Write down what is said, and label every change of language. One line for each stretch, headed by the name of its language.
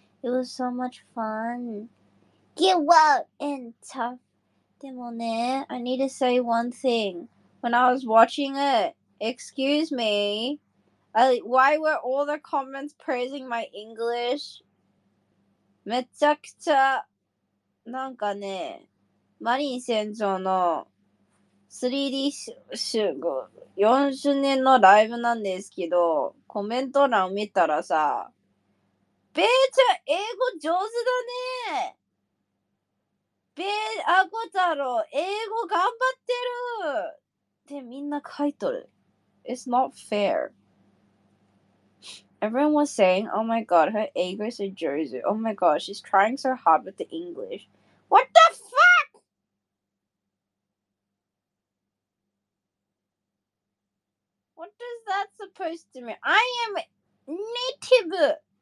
English: It was so much fun. Get well and tough. Demonair, I need to say one thing. When I was watching it, excuse me, why were all the comments praising my English?
Japanese: めちゃくちゃ、なんかね、マリン船長の 3D4周年のライブなんですけど、コメント欄を見たらさ、ベイちゃん英語上手だね。ベイ、アコ太郎英語頑張ってるってみんな書いとる。
English: It's not fair. Everyone was saying, oh my god, her English is Josie. Oh my god, she's trying so hard with the English. What the fuck? What is that supposed to mean? I am native.